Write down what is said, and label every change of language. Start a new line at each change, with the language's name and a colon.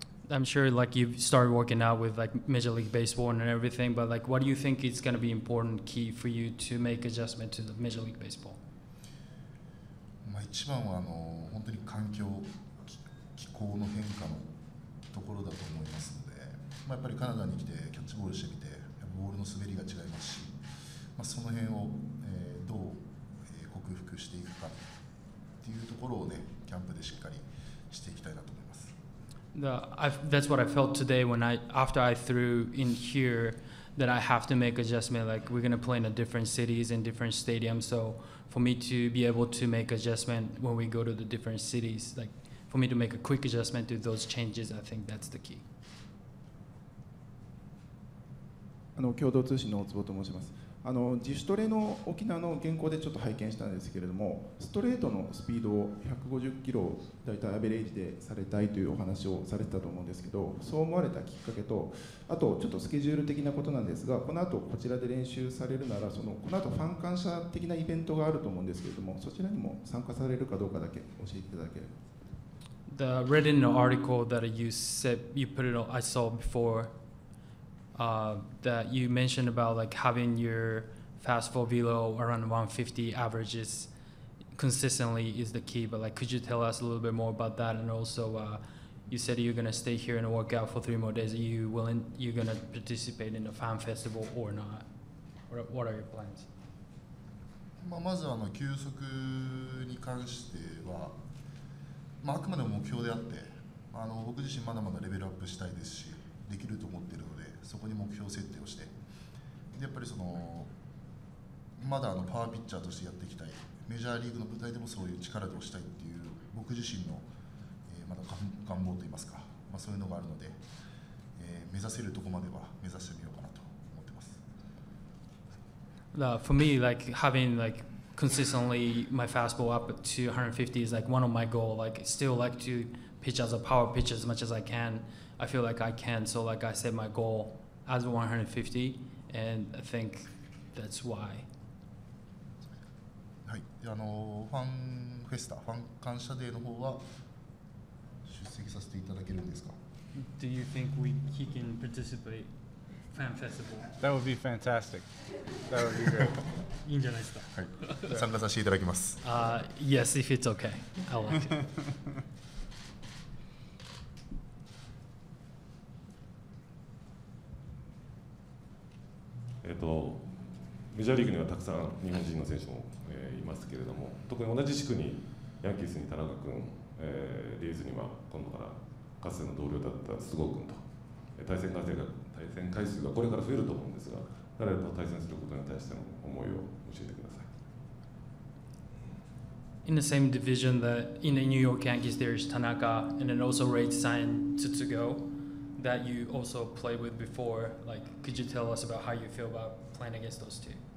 English: I'm sure like you've started working out with like Major League Baseball and everything, but like what do you think is going to be important key for you to make adjustment to the Major League Baseball?
Japanese: まあ一番は本当に環境気候の変化のところだと思いますので、やっぱりカナダに来てキャッチボールしてみて、ボールの滑りが違いますし、その辺をどう克服していくかっていうところをね、キャンプでしっかりしていきたいなと思います。
English: That's what I felt today when after I threw in here that I have to make adjustment. Like, we're going to play in a different cities and different stadiums. So for me to be able to make adjustment when we go to the different cities, like for me to make a quick adjustment to those changes, I think that's the key.
Japanese: 共同通信の大坪と申します。自主トレの沖縄の原稿でちょっと拝見したんですけれども、ストレートのスピードを150キロだいたいアベレージでされたいというお話をされてたと思うんですけど、そう思われたきっかけと、あとちょっとスケジュール的なことなんですが、このあとこちらで練習されるなら、そのこのあとファン感謝的なイベントがあると思うんですけれども、そちらにも参加されるかどうかだけ教えていただければ。
English: The read in the article that you said you put it on, I saw beforethat you mentioned about like having your fastball velo around 150 averages consistently is the key, but like could you tell us a little bit more about that? And also you said you're going to stay here and work out for 3 more days. Are you willing, you're going to participate in the fan festival or not? What are your plans?
Japanese: まずは球速に関しては、あくまでも目標であって、僕自身まだまだレベルアップしたいですし、できると思っているので、そこに目標設定をして、でやっぱりそのまだパワーピッチャーとしてやっていきたい、メジャーリーグの舞台でもそういう力で押したいっていう僕自身の、まだ願望といいますか、そういうのがあるので、目指せるとこまでは目指してみようかなと思ってます。
English: For me, like having like consistently my fastball up to 150 is like one of my goal. Like still like to pitch as a power pitch as much as I can. I feel like I can, so like I set my goal as 150, and I think that's why.
Japanese: はい、ファンフェスタ、ファン感謝デーの方は出席させていただけるんですか?
English: Do you think he can participate fan festival? That would be fantastic. That would be great.
Japanese: いいんじゃないですか? はい、参加させていただきます。
English: Yes, if it's okay, I like it.
Japanese: メジャーリーグにはたくさん日本人の選手も、いますけれども、特に同じ地区にヤンキースに田中君、レイズには今度からかつての同僚だった須郷君と、対戦回数がこれから増えると思うんですが、誰と対戦することに対しての思いを教えてください。
English: In the same division, in the New York Yankees, there is Tanaka, and then also Reid signed Tsutsugo. That you also played with before, like, could you tell us about how you feel about playing against those two?